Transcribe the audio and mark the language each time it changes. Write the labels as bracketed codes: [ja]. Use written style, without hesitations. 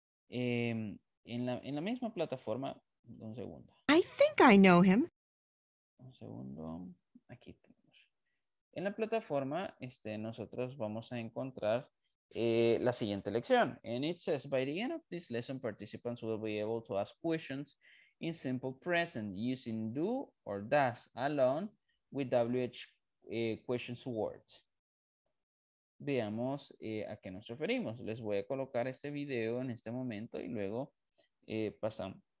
[es] En la misma plataforma, un segundo. [en] I think I know him. [es] Un segundo, aquí tenemos. En la plataforma, nosotros vamos a encontrar la siguiente lección. [en] And it says, by the end of this lesson, participants will be able to ask questions in simple present using do or does alone with WH questions words. [es] Veamos a qué nos referimos. Les voy a colocar este video en este momento y luego pasamos.